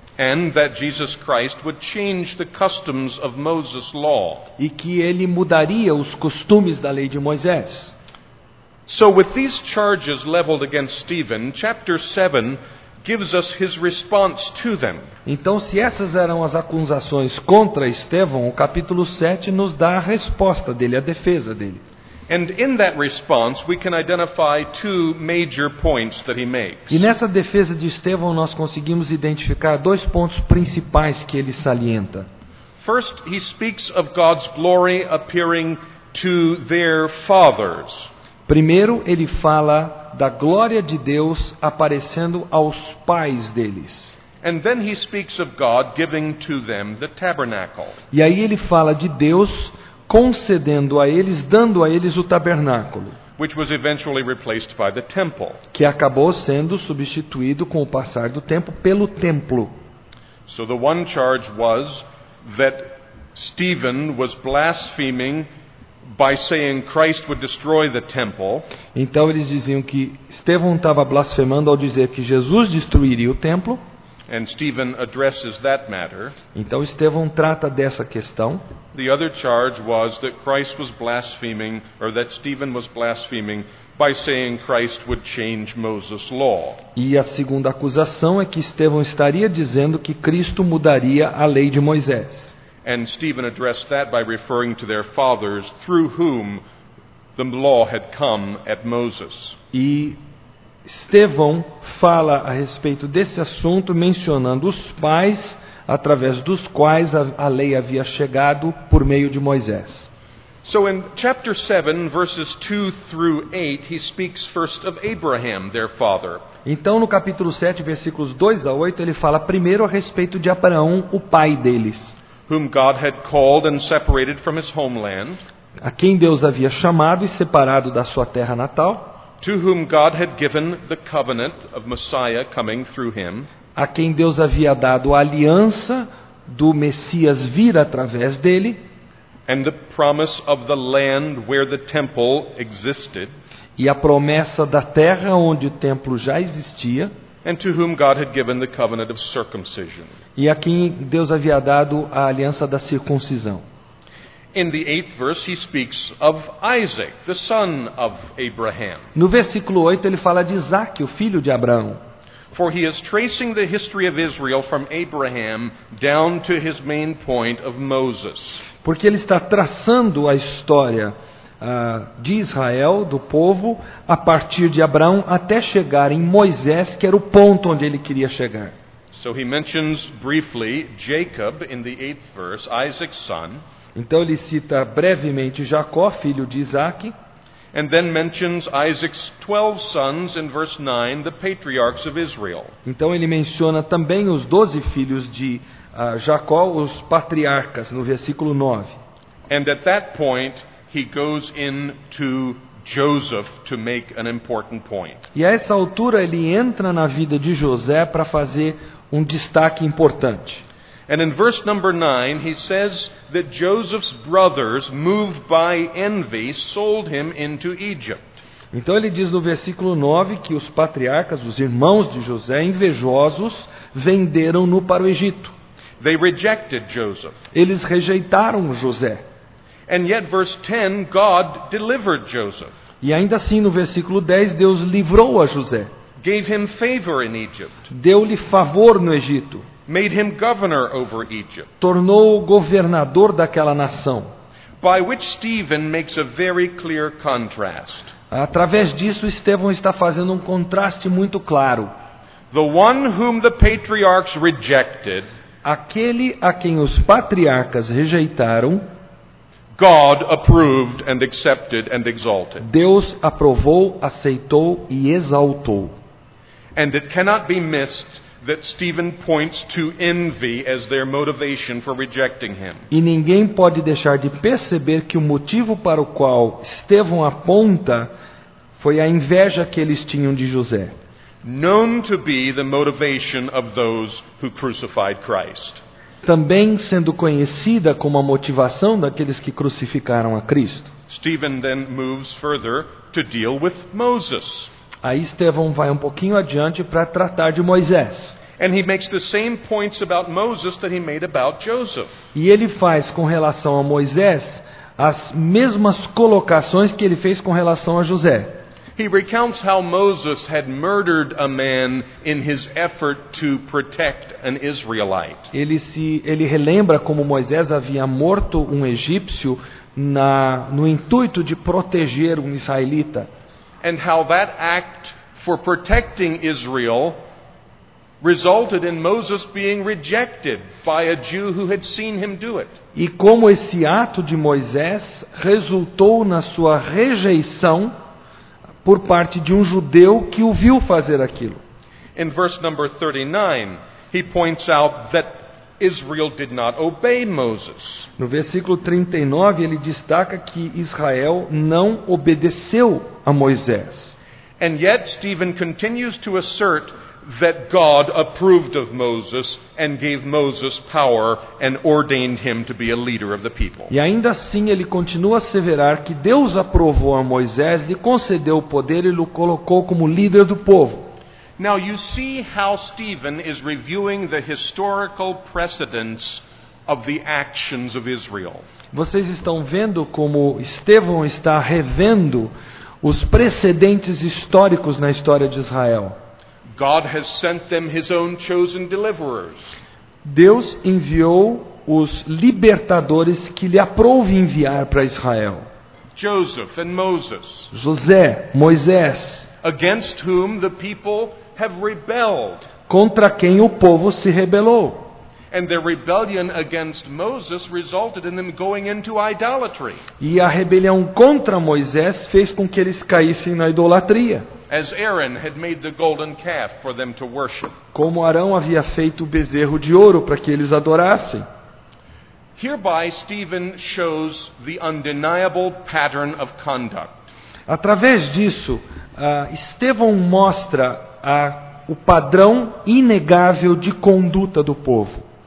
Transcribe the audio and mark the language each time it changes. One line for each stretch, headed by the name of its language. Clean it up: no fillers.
English: And that Jesus Christ would change the customs of Moses' law.
Portuguese: E que ele mudaria os costumes da lei de Moisés.
English: So with these charges leveled against Stephen, chapter 7 gives us his response to them.
Portuguese: Então, se essas eram as acusações contra Estevão, o capítulo 7 nos dá a resposta dele, a defesa dele.
English: And in that response, we can identify two major points that he makes.
Portuguese: E nessa defesa de Estevão, nós conseguimos identificar dois pontos principais que ele salienta.
English: First, he speaks of God's glory appearing to their fathers.
Portuguese: Primeiro, ele fala da glória de Deus aparecendo aos pais deles.
English: And then he speaks of God giving to them the tabernacle.
Portuguese: E aí ele fala de Deus concedendo a eles, dando a eles o tabernáculo,
English: which was eventually replaced by the temple.
Portuguese: Que acabou sendo substituído com o passar do tempo pelo templo.
English: So the one charge was that Stephen was blaspheming by saying Christ would destroy the temple.
Portuguese: Então eles diziam que Estevão estava blasfemando ao dizer que Jesus destruiria o templo.
English: And Stephen addresses that matter.
Portuguese: Então Estevão trata dessa questão.
English: The other charge was that Christ was blaspheming, or that Stephen was blaspheming, by saying Christ would change Moses' law.
Portuguese: E a segunda acusação é que Estevão estaria dizendo que Cristo mudaria a lei de Moisés.
English: And Stephen addressed that by referring to their fathers, through whom the law had come at Moses.
Portuguese: E Estevão fala a respeito desse assunto mencionando os pais através dos quais a lei havia chegado por meio de Moisés.
English: So in chapter 7 verses 2 through 8 he speaks first of Abraham, their father.
Portuguese: Então no capítulo 7 versículos 2 a 8 ele fala primeiro a respeito de Abraão, o pai deles,
English: whom God had called and separated from his homeland.
Portuguese: A quem Deus havia chamado e separado da sua terra natal.
English: To whom God had given the covenant of Messiah coming through him.
Portuguese: A quem Deus havia dado a aliança do Messias vir através dele.
English: And the promise of the land where the temple existed.
Portuguese: E a promessa da terra onde o templo já existia.
English: And to whom God had given the covenant of circumcision.
Portuguese: E a quem Deus havia dado a aliança da circuncisão.
English: In the eighth verse, he speaks of Isaac, the son of Abraham.
Portuguese: No versículo 8, ele fala de Isaac, o filho de Abraão.
English: For he is tracing the history of Israel from Abraham down to his main point of Moses.
Portuguese: Porque ele está traçando a história de Israel, do povo, a partir de Abraão até chegar em Moisés, que era o ponto onde ele queria chegar.
English: So he mentions briefly Jacob in the eighth verse, Isaac's son.
Portuguese: Então ele cita brevemente Jacó, filho de Isaac.
English: And then mentions Isaac's 12 sons in verse 9, the patriarchs of Israel.
Portuguese: Então ele menciona também os 12 filhos de Jacó, os patriarcas, no versículo 9.
English: And at that point he goes into Joseph to make an important point.
Portuguese: E a essa altura ele entra na vida de José para fazer um destaque importante.
English: And in verse number 9 he says that Joseph's brothers, moved by envy, sold him into Egypt.
Portuguese: Então ele diz no versículo 9 que os patriarcas, os irmãos de José, invejosos, venderam-no para o Egito.
English: They rejected Joseph.
Portuguese: Eles rejeitaram José.
English: And yet verse 10 God delivered Joseph.
Portuguese: E ainda assim no versículo 10 Deus livrou a José.
English: Gave him favor in Egypt.
Portuguese: Deu-lhe favor no Egito.
English: Made him governor over Egypt.
Portuguese: Tornou-o governador daquela nação.
English: By which Stephen makes a very clear contrast.
Portuguese: Através disso, Estevão está fazendo um contraste muito claro.
English: The one whom the patriarchs rejected,
Portuguese: aquele a quem os patriarcas rejeitaram,
English: God approved and accepted and exalted.
Portuguese: Deus aprovou, aceitou e exaltou.
English: And it cannot be missed that Stephen points to envy as their motivation for rejecting him.
Portuguese: E ninguém pode deixar de perceber que o motivo para o qual Estevão aponta foi a inveja que eles tinham de José.
English: Known to be the motivation of those who crucified Christ.
Portuguese: Também sendo conhecida como a motivação daqueles que crucificaram a Cristo.
English: Stephen then moves further to deal with Moses.
Portuguese: Aí Estevão vai um pouquinho adiante para tratar de Moisés.
English: And he makes the same points about Moses that he made about Joseph.
Portuguese: E ele faz com relação a Moisés as mesmas colocações que ele fez com relação a José.
English: He recounts how Moses had murdered a man in his effort to protect an Israelite.
Portuguese: Ele relembra como Moisés havia morto um egípcio no intuito de proteger um israelita.
English: And how that act for protecting Israel resulted in Moses being rejected by a Jew who had seen him do it.
Portuguese: E como esse ato de Moisés resultou na sua rejeição por parte de um judeu que o viu fazer aquilo.
English: In verse number 39, he points out that Israel did not obey Moses.
Portuguese: No versículo 39, ele destaca que Israel não obedeceu a Moisés.
English: And yet Stephen continues to assert that God approved of Moses and gave Moses power and ordained him to be a leader of the people.
Portuguese: E ainda assim ele continua a asseverar que Deus aprovou a Moisés, lhe concedeu o poder e o colocou como líder do povo.
English: Now you see how Stephen is reviewing the historical precedents of the actions of Israel.
Portuguese: Vocês estão vendo como Estevão está revendo os precedentes históricos na história de Israel.
English: God has sent them his own chosen deliverers.
Portuguese: Deus enviou os libertadores que lhe aprouve enviar para Israel.
English: Joseph and Moses.
Portuguese: José, Moisés.
English: Against whom the people have rebelled.
Portuguese: Contra quem o povo se rebelou.
English: And their rebellion against Moses resulted in them going into idolatry.
Portuguese: E a rebelião contra Moisés fez com que eles caíssem na idolatria.
English: As Aaron had made the golden calf for them to worship.
Portuguese: Como Arão havia feito o bezerro de ouro para que eles adorassem.
English: Hereby Stephen shows the undeniable pattern of conduct.
Portuguese: Através disso, Estevão mostra o padrão inegável de conduta do povo.